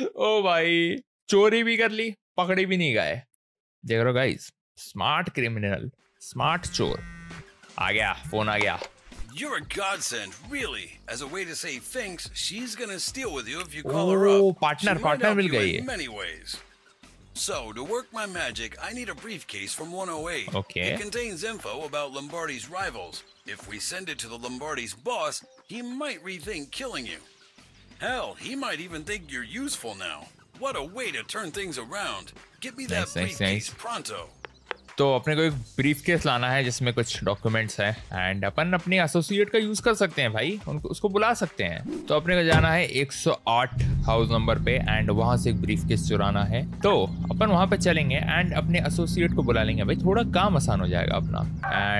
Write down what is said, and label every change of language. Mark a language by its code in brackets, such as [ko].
[hi] ओ भाई चोरी भी कर ली, पकड़े भी नहीं गए, देख रहे हो गाइस, स्मार्ट क्रिमिनल स्मार्ट चोर। आ गया फोन आ गया। [en] You're a godsend, really. As a way to say thanks, she's gonna steal with you if you call her up. Partner, she partner, might help mil you in many ways. So, to work my magic, I need a briefcase from 108. Okay. It contains info about Lombardi's rivals. If we send it to the Lombardi's boss, he might rethink killing you. Hell, he might even think you're useful now. What a way to turn things around. Get me that briefcase pronto. [hi] तो अपने को एक briefcase लाना है जिसमें कुछ documents हैं and अपन अपने एसोसिएट का यूज़ कर सकते हैं भाई, उनको उसको बुला सकते हैं। तो अपने को जाना है 108 हाउस नंबर पे एंड वहां से एक ब्रीफकेस चुराना है, तो अपन वहां पे चलेंगे एंड अपने एसोसिएट को बुला लेंगे भाई, थोड़ा काम आसान हो जाएगा अपना।